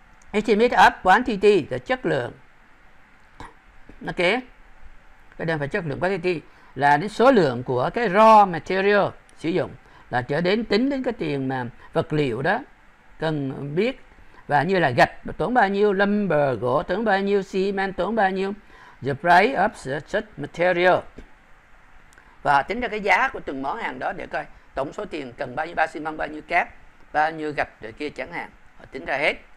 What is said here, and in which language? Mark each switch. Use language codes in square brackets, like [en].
[en] Estimate of quantity [vi] là chất lượng. Ok. Cái đơn phải chất lượng quantity là đến số lượng của cái raw material sử dụng, là trở đến tính đến cái tiền mà vật liệu đó cần biết. Và như là gạch tốn bao nhiêu, lumber gỗ tốn bao nhiêu, cement tốn bao nhiêu. [en] The price of such material. [vi] Và tính ra cái giá của từng món hàng đó để coi tổng số tiền cần bao nhiêu bao xi măng, bao nhiêu cát, bao nhiêu gạch rồi kia chẳng hạn. Họ tính ra hết.